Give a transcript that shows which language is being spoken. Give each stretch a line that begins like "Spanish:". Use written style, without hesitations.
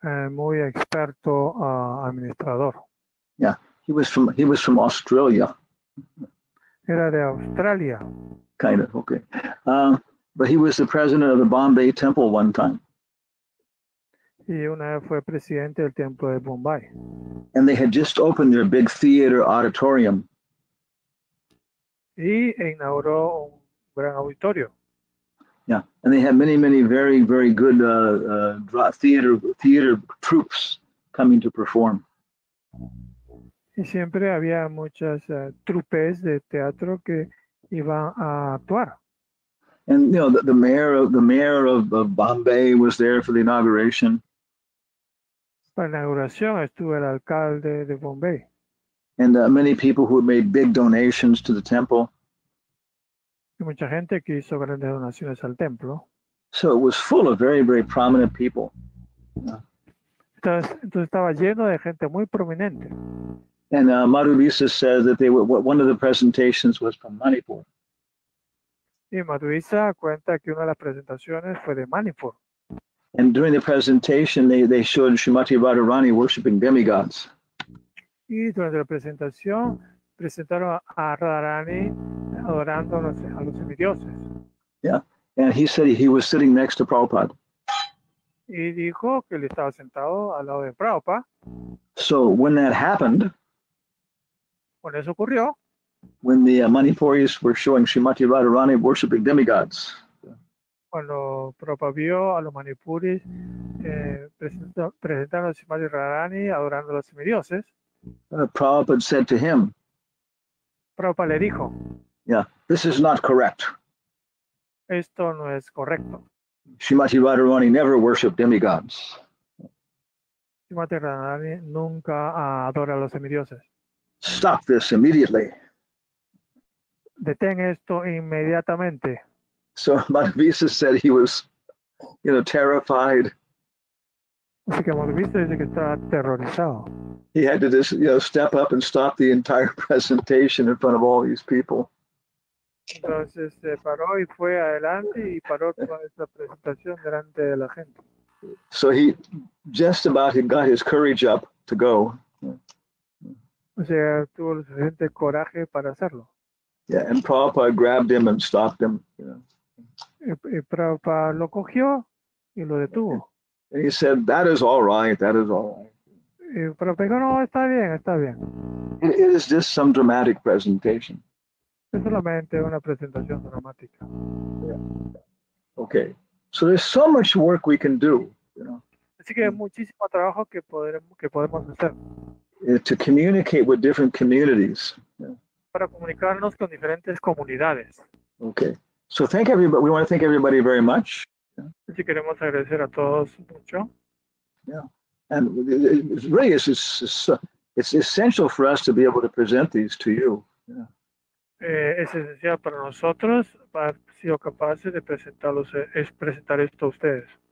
Spanish: Muy experto administrador.
English: Yeah, he was from Australia.
Spanish: Era de Australia.
English: Kind of, okay. But he was the president of the Bombay Temple one time.
Spanish: Y una vez fue presidente del templo de Bombay.
English: And they had just opened their big theater auditorium.
Spanish: Y inauguró un gran auditorio.
English: Yeah, and they had many, many very, very good theater troops coming to perform.
Spanish: Y siempre había muchas trupes de teatro que iban a actuar.
English: And you know, the mayor of Bombay was there for the inauguration.
Spanish: Para la inauguración estuvo el alcalde de Bombay.
English: And many people who made big donations to the temple.
Spanish: Y mucha gente que hizo grandes donaciones al templo.
English: So it was full of very, very prominent people.
Spanish: Entonces estaba lleno de gente muy prominente.
English: And Madhuvisa said that they were one of the presentations was from Manipur.
Spanish: Y Madhuvisa cuenta que una de las presentaciones fue de Manipur.
English: And during the presentation, they showed Srimati Radharani worshiping demigods.
Spanish: Y durante la presentación, presentaron a Radharani adorando a los semidioses.
English: Yeah, and he said he was sitting next to Prabhupada.
Spanish: Y dijo que él estaba sentado al lado de Prabhupada.
English: So when that happened,
Spanish: cuando eso ocurrió,
English: when the Manipuris were showing Srimati Radharani worshiping demigods,
Spanish: cuando Prabhupada vio a los Manipuris presentando a Srimati Radharani adorando a los semidioses,
English: Prabhupada said to him,
Spanish: Prabhupada le dijo,
English: yeah, this is not correct.
Spanish: Esto no es correcto.
English: Srimati Radharani never worshiped demigods.
Spanish: Srimati Radharani nunca adora a los semidioses.
English: Stop this immediately.
Spanish: Detén esto inmediatamente.
English: So Madhavisa said he was, you know, terrified.
Spanish: Así que Madhavisa dice que está aterrorizado.
English: He had to just, you know, step up and stop the entire presentation in front of all these people.
Spanish: Entonces se paró y fue adelante y paró toda esta presentación delante de la gente.
English: So he just about got his courage up to go.
Spanish: O sea, tuvo el suficiente coraje para hacerlo.
English: Yeah, and Prabhupada grabbed him and stopped him. You know.
Spanish: Y Prabhupada lo cogió y lo detuvo.
English: And he said, that is all right, that is all right.
Spanish: Y Prabhupada dijo, no, está bien, está bien.
English: It is just some dramatic presentation.
Spanish: Es solamente una presentación dramática.
English: Yeah. Okay. So there's so much work we can do, you know.
Spanish: Así que hay muchísimo trabajo que podemos hacer.
English: To communicate with different communities. Yeah.
Spanish: Para comunicarnos con diferentes comunidades.
English: Okay. So thank everybody. We want to thank everybody very much.
Spanish: Yeah. Así queremos agradecer a todos mucho.
English: Yeah. And it's essential for us to be able to present these to you. Yeah.
Spanish: Es esencial para nosotros haber sido capaces de presentarlos, es presentar esto a ustedes.